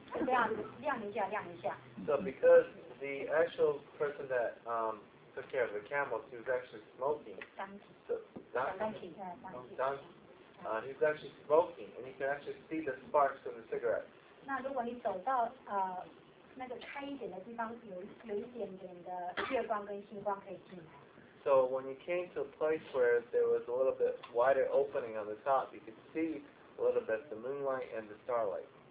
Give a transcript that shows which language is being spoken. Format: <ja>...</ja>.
<zh>那因为那个有一个赶鱼的，他那个小孩子他抽烟，所以我们就看到那个烟火亮，这样亮一下。So</zh> <en>because the actual person that took care of the camels, he was actually smoking. He was actually smoking, and you can actually see the sparks from the cigarette.</en> <zh>那如果你走到那个开一点的地方，有一点点的月光跟星光可以进来。</zh> <en>So when you came to a place where there was a little bit wider opening on the top, you could see a little bit the moonlight and the starlight.</en>